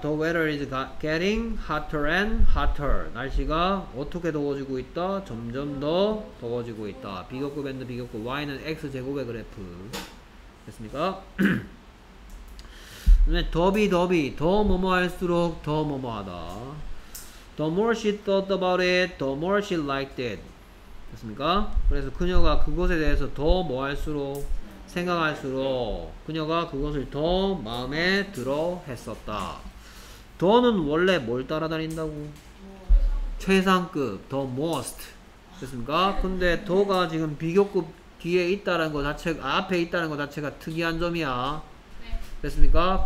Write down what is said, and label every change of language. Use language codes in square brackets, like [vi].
[en] The weather is getting hotter and hotter. [ko] 날씨가 어떻게 더워지고 있다? 점점 더 더워지고 있다. 비교급 and 비교급 Y는 X제곱의 그래프 됐습니까? 그다음에 더비 더비 더 뭐뭐할수록 더 뭐뭐하다. [en] The more she thought about it, the more she liked it. [ko] 됐습니까? 그래서 그녀가 그것에 대해서 더 뭐할수록 생각할수록 그녀가 그것을 더 마음에 들어 했었다. 더는 원래 뭘 따라다닌다고? 최상급, the most. 됐습니까? 근데 더가 지금 비교급 뒤에 있다는 것 자체가, 앞에 있다는 것 자체가 특이한 점이야. 됐습니까?